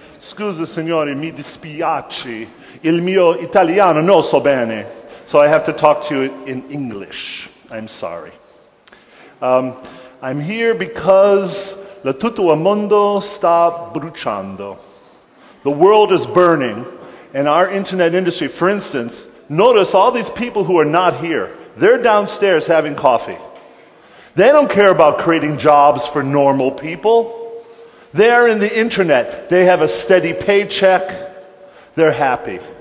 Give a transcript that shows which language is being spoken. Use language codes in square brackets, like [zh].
[it] Scusa signori, mi dispiace. Il mio italiano non so bene. [en] So I have to talk to you in English. I'm sorry. I'm here because [it] la tutto il mondo sta bruciando. [en] The world is burning, and our internet industry, for instance, notice all these people who are not here. They're downstairs having coffee. They don't care about creating jobs for normal people. They're in the internet. They have a steady paycheck. They're happy.